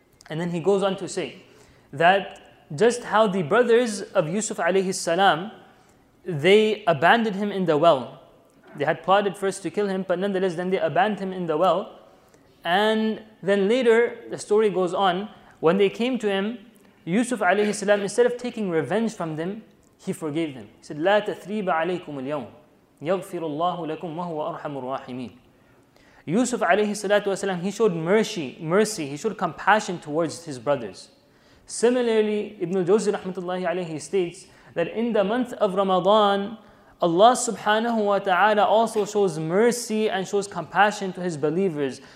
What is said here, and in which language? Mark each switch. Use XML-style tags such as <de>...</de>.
<en>And then he goes on to say that just how the brothers of Yusuf alayhi salam, they abandoned him in the well. They had plotted first to kill him, but nonetheless, then they abandoned him in the well. And then later, the story goes on, when they came to him, Yusuf alayhi salam, instead of taking revenge from them, he forgave them. He said,</en> <ar>لا تثريب عليكم اليوم. يغفر الله لكم وهو أرحم الراحمين.</ar> <en>Yusuf عليه الصلاة والسلام, he showed mercy, he showed compassion towards his brothers. Similarly, Ibn al-Jawzi رحمة الله عليه states that in the month of Ramadan, Allah subhanahu wa ta'ala also shows mercy and shows compassion to his believers.</en>